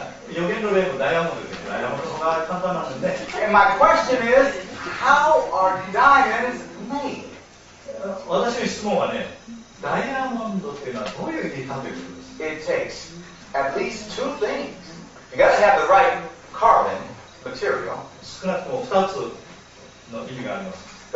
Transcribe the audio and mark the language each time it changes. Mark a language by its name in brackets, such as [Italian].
[Japanese] 予言の例もダイヤモンドです。ダイヤモンドそんな簡単なんでね。 [English] And my question is, how are diamonds made? [Japanese] 私の質問はね、ダイヤモンドっていうのはどういう意味かということです。 [English] It takes at least two things. You gotta have the right carbon material. [Japanese] 少なくとも二つの意味があります。